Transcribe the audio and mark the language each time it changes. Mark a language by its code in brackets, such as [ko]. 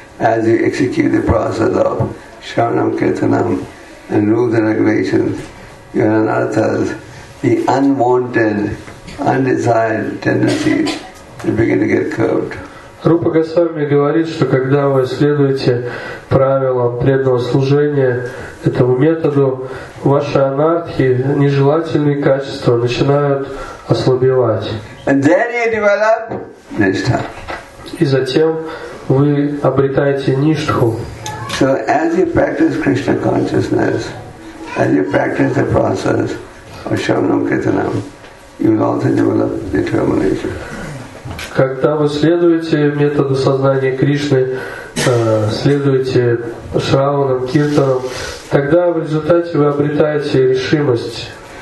[en] As you execute the process of sharanam kirtanam and rules and regulations, your anarthas, the unwanted, undesired tendencies, they begin to get curbed. [ru] Rupa Goswami говорит, что когда вы следуете правилам преданного служения этому методу, ваши анартхи, нежелательные качества, начинают ослабевать. [en] And then you develop nishtha. [ru] И затем вы обретаете ништху. [en] So as you practice Krishna consciousness, as you practice the process of sharanam kirtanam, you will also develop determination. [ru] Когда вы следуете методу сознания Кришны, следуете шраванам, киртанам, тогда в результате вы обретаете решимость.